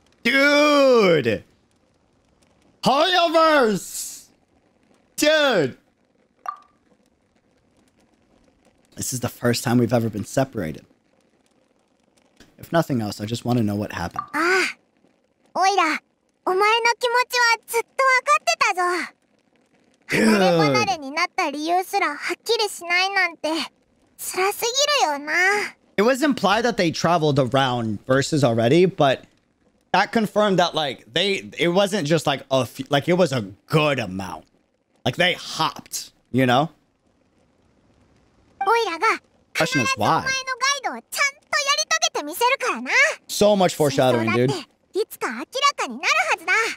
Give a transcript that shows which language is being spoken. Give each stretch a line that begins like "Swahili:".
English: Dude! Holoverse! Dude! This is the first time we've ever been separated. If nothing else, I just want to know what happened.
Japanese: Oira! お前の気持ちはずっと分かってたぞ。離れ離れになった理由すらはっきりしないなんて辛すぎるよな。
English: It was implied that they traveled around verses already, but that confirmed that like they, it wasn't just like a few, like it was a good amount. Like they hopped, you know?
Japanese: オイラが必ずお前のガイドをちゃんとやり遂げてみせるからな。
English: So much foreshadowing, dude.
Japanese: いつか明らかになるはずだ。